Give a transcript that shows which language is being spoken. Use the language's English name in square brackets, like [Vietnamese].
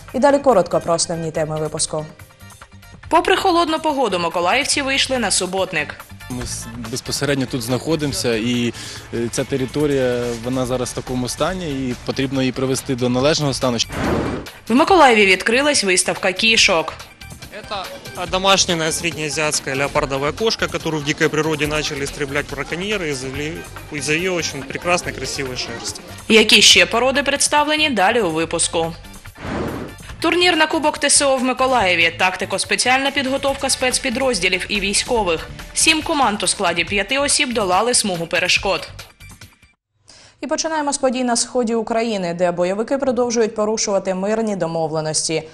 [Ukrainian] І далі коротко про основні теми випуску. Попри холодну погоду, миколаївці вийшли на суботник. Ми безпосередньо тут знаходимося, і ця територія, вона зараз в такому стані, і потрібно її привести до належного стану. В Миколаєві відкрилась виставка кішок. [Russian] Это домашняя среднеазиатская леопардовая кошка, которую в дикой природе начали истреблять браконьеры из-за ее очень прекрасной, красивой шерсти. [Ukrainian] Які ще породи представлені далі у випуску. Турнір на Кубок ТСО в Миколаєві. Тактико-спеціальна підготовка спецпідрозділів і військових. 7 команд у складі 5 осіб долали смугу перешкод. І починаємо з подій на сході України, де бойовики продовжують порушувати мирні домовленості.